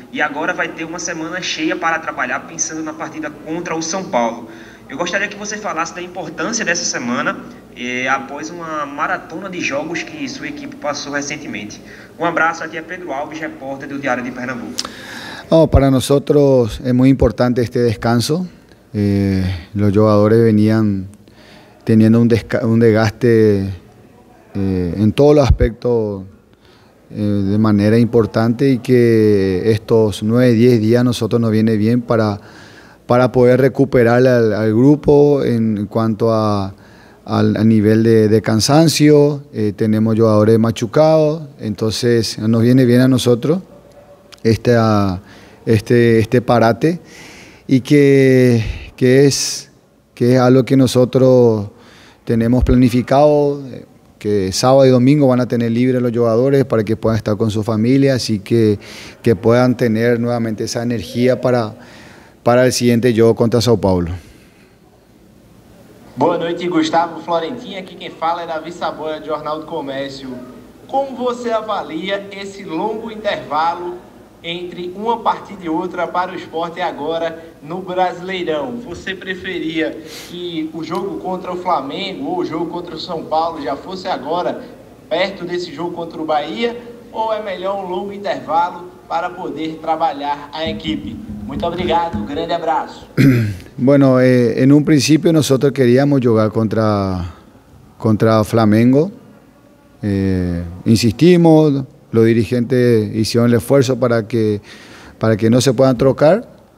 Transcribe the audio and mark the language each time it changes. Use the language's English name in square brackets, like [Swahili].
[Portuguese] E agora vai ter uma semana cheia para trabalhar pensando na partida contra o São Paulo. Eu gostaria que você falasse da importância dessa semana após uma maratona de jogos que sua equipe passou recentemente. Um abraço, aqui é Pedro Alves, repórter do Diário de Pernambuco. [Spanish] Oh, para nosotros es muy importante este descanso. Los jugadores venían teniendo un desgaste en todos los aspectos de manera importante y que estos 9, 10 días nosotros nos viene bien para poder recuperar al grupo en cuanto a nivel de cansancio. Tenemos jugadores machucados, entonces nos viene bien a nosotros este parate y que es algo que nosotros tenemos planificado, que sábado y domingo van a tener libre los jugadores para que puedan estar con su familia, así que puedan tener nuevamente esa energía para el siguiente juego contra Sao Paulo. [Portuguese] Boa noite, Gustavo Florentin, aqui quem fala é Davi Saboia, Jornal do Comércio. Como você avalia esse longo intervalo entre uma partida e outra para o Sport agora no Brasileirão? Você preferia que o jogo contra o Flamengo ou o jogo contra o São Paulo já fosse agora, perto desse jogo contra o Bahia? Ou é melhor um longo intervalo para poder trabalhar a equipe? Muito obrigado, grande abraço. [Spanish] Bueno, en un principio nosotros queríamos jugar contra Flamengo. Insistimos. Los dirigentes hicieron el esfuerzo para que no se puedan trocar.